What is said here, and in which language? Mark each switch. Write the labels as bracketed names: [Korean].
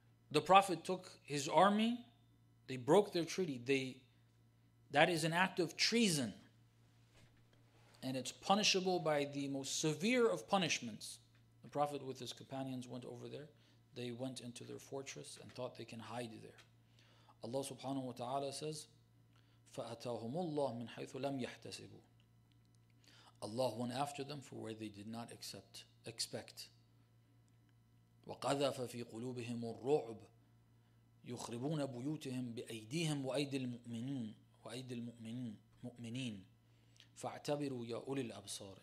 [English] The Prophet took his army. They broke their treaty. That is an act of treason. And it's punishable by the most severe of punishments. The Prophet with his companions went over there. They went into their fortress and thought they can hide there. Allah subhanahu wa ta'ala says, [Arabic] فَأَتَاهُمُ اللَّهُ مِنْ حَيْثُ لَمْ يَحْتَسِبُ. [English] Allah went after them for where they did not expect. [Arabic] وَقَذَفَ فِي قُلُوبِهِمُ الرُّعْبُ يُخْرِبُونَ بُيُوتِهِمْ بِأَيْدِيهِمْ وَأَيْدِ الْمُؤْمِنِينَ وَأَيْدِ الْمُؤْمِنِينَ فَاعْتَبِرُوا يَا أُولِي الْأَبْصَارِ.